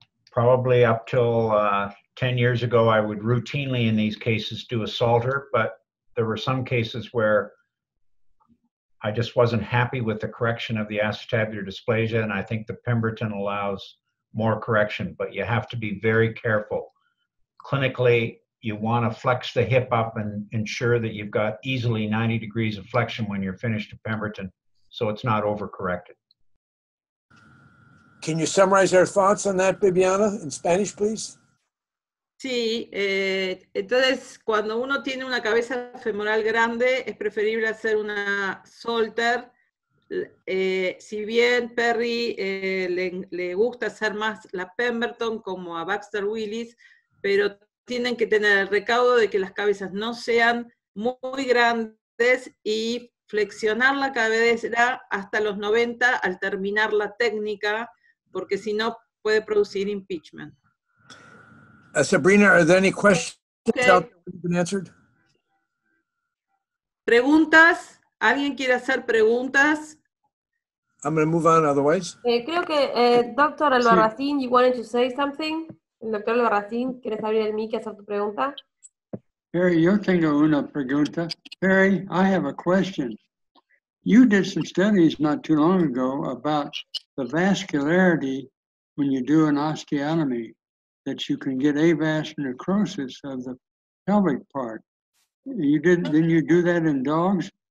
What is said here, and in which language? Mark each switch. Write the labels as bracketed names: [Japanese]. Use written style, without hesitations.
[English] Probably up till 10 years ago, I would routinely in these cases do a Salter, but there were some cases where I just wasn't happy with the correction of the acetabular dysplasia, and I think the Pemberton allows more correction, but you have to be very careful. Clinically, you want to flex the hip up and ensure that you've got easily 90 degrees of flexion when you're finished at Pemberton, so it's not overcorrected. Can you summarize our thoughts on that, Bibiana, in Spanish, please? [Spanish] Sí, entonces cuando uno tiene una cabeza femoral grande, es preferible hacer una Salter. Si bien Perry le gusta hacer más la Pemberton como a Baxter Willis, pero tienen que tener el recaudo de que las cabezas no sean muy grandes y flexionar la cadera hasta los 90 al terminar la técnica, porque si no puede producir impeachment. [English] Sabrina, are there any questions okay. out there that have been answered? [Spanish] ¿Preguntas? ¿Alguien quiere hacer preguntas? [English] I'm going to move on otherwise. [Spanish] Creo que, [English] Dr. Albarracín, you wanted to say something? Dr. [Spanish] Albarracín, ¿quieres abrir el mic y hacer tu pregunta? Perry, yo tengo una pregunta. [English] Perry, I have a question. You did some studies not too long ago about the vascularity when you do an osteotomy, that you can get avascular necrosis of the pelvic part. You did, didn't you do that in dogs?